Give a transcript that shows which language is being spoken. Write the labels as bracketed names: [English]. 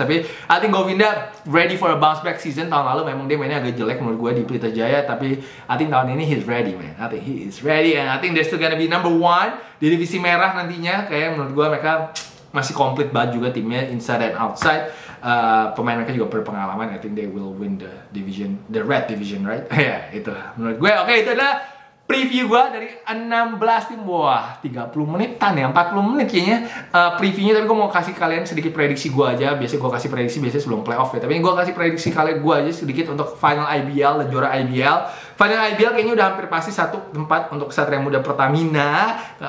[Indonesian] Tapi [English] I think Govinda ready for a bounce back season. [Indonesian] Tahun lalu memang dia mainnya agak jelek menurut gue di Pelita Jaya. [English] Tapi I think [Indonesian] tahun ini [English] he's ready, man. I think he is ready. And I think they're still gonna be number one [Indonesian] di divisi merah nantinya. Kayak menurut gue mereka masih komplit banget juga timnya [English] inside and outside. [Indonesian] Pemain mereka juga berpengalaman. [English] I think they will win the division, the red division, right? [Indonesian] Yeah, itu menurut gue. Okay, itu adalah preview gue dari 16 tim. Wah, 30 menitan ya, 40 menit kayaknya previewnya. Tapi gue mau kasih kalian sedikit prediksi gue aja. Biasanya gue kasih prediksi biasanya sebelum playoff ya. Tapi gue kasih prediksi kalian gue aja sedikit untuk final IBL dan juara IBL. Final IBL kayaknya udah hampir pasti satu tempat untuk Satria Muda Pertamina.